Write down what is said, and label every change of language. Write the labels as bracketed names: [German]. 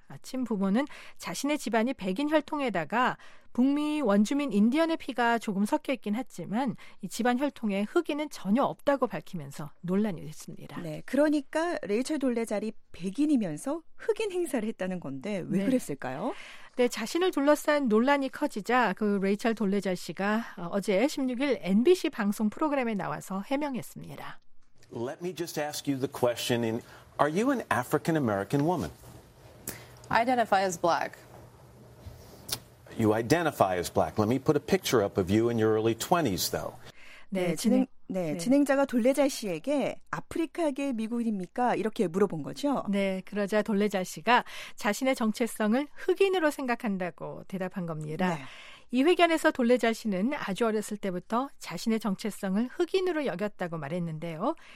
[Korean] 아침 부모는 자신의 집안이 백인 혈통에다가 북미 원주민 인디언의 피가 조금 섞여 있긴 했지만 이 집안 혈통에 흑인은 전혀 없다고 밝히면서 논란이 됐습니다. 네, 그러니까 레이첼 돌레자리 백인이면서 흑인 행사를 했다는 건데 왜 네. 그랬을까요? 네, 자신을 둘러싼 논란이 커지자 그 레이첼 돌레자 씨가 어제 16일 MBC 방송 프로그램에 나와서 해명했습니다. [English] Let me just ask you the question in Are you an African American woman? I identify as black. You identify as black. Let me put a picture up of you in your early 20s though. [Korean] 네, 진행자가 돌레자 씨에게 아프리카계 미국인입니까? 이렇게 물어본 거죠. 네, 그러자 돌레자 씨가 자신의 정체성을 흑인으로 생각한다고 대답한 겁니다. 네. 이 회견에서 돌레자 씨는 아주 어렸을 때부터 자신의 정체성을 흑인으로 여겼다고 말했는데요.